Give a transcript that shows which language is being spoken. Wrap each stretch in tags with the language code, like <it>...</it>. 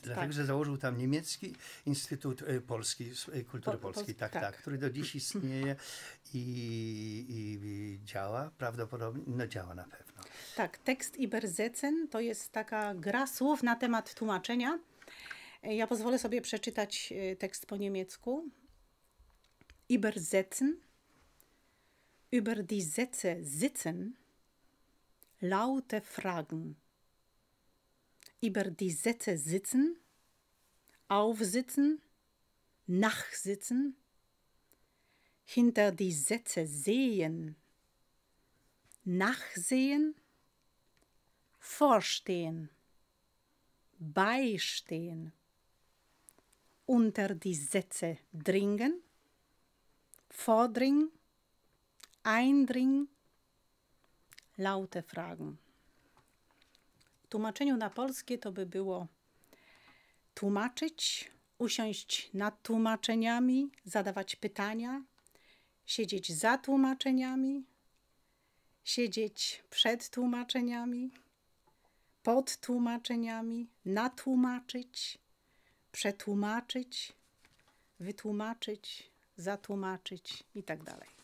<pl>Dlatego, że założył tam niemiecki Instytut Polski, Kultury Polskiej, tak, który do dziś istnieje i działa prawdopodobnie, no działa na pewno. Tak, tekst Übersetzen to jest taka gra słów na temat tłumaczenia. Ja pozwolę sobie przeczytać tekst po niemiecku.</pl> <de>Übersetzen, über die Sätze sitzen, laute Fragen. Über die Sätze sitzen, aufsitzen, nachsitzen, hinter die Sätze sehen, nachsehen, vorstehen, beistehen, unter die Sätze dringen, vordringen, eindringen, laute Fragen.</de> <pl>W tłumaczeniu na polskie to by było tłumaczyć, usiąść nad tłumaczeniami, zadawać pytania, siedzieć za tłumaczeniami, siedzieć przed tłumaczeniami, pod tłumaczeniami, natłumaczyć, przetłumaczyć, wytłumaczyć, zatłumaczyć i tak dalej.</pl>